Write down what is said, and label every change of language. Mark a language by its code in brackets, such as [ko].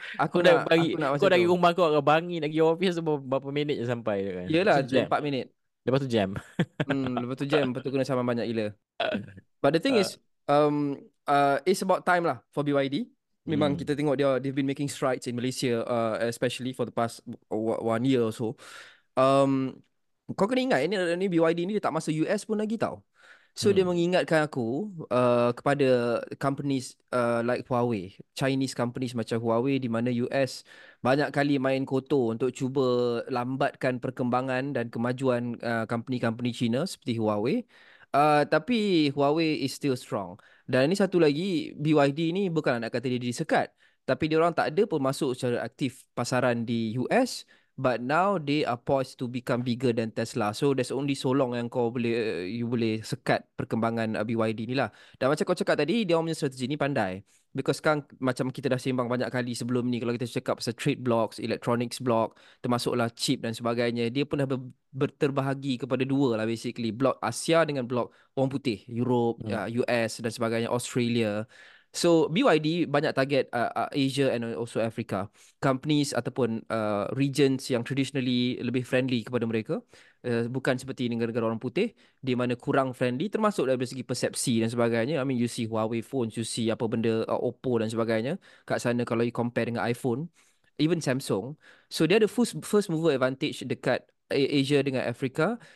[ms] Kau dari rumah kau ke Bangi nak pergi office berapa minit je sampai kan? Yalah, 4 minit. Lepas tu jam. lepas tu kena saman banyak gila. [en] But the thing is it's about time lah for BYD. [ms] Memang kita tengok dia, [en] they've been making strides in Malaysia especially for the past 1 year or so. [ms] Kau kena ingat ni BYD ni dia tak masuk US pun lagi tau. So dia mengingatkan aku kepada [en] companies like Huawei, Chinese companies [ms] macam Huawei, di mana US banyak kali main kotor untuk cuba lambatkan perkembangan dan kemajuan company-company China seperti Huawei. Tapi [en] Huawei is still strong. [ms] Dan ini satu lagi, BYD ni bukan nak kata dia disekat, tapi dia orang tak ada pun masuk secara aktif pasaran di US. [en] But now they are poised to become bigger than Tesla. So there's only so long [ms] yang kau boleh [en] you [ms] boleh sekat perkembangan BYD ni lah. Dan macam kau cakap tadi, dia punya strategi ni pandai. Because sekarang macam kita dah sembang banyak kali sebelum ni, kalau kita cakap pasal trade blocks, electronics block, termasuklah chip dan sebagainya, dia pun dah berterbahagi kepada dua lah basically. Blok Asia dengan blok orang putih, Europe, US dan sebagainya, Australia. So BYD banyak target Asia [en] and also [ms] Africa. Companies ataupun regions yang traditionally lebih friendly kepada mereka. Bukan seperti negara-negara orang putih di mana kurang friendly, termasuk dari segi persepsi dan sebagainya. [en] I mean you see Huawei phones, you see [ms] apa benda [en] Oppo [ms] dan sebagainya kat sana kalau [en] you compare [ms] dengan [en] iPhone, even Samsung. [ms] So dia ada [en] first mover advantage [ms] dekat Asia dengan Africa.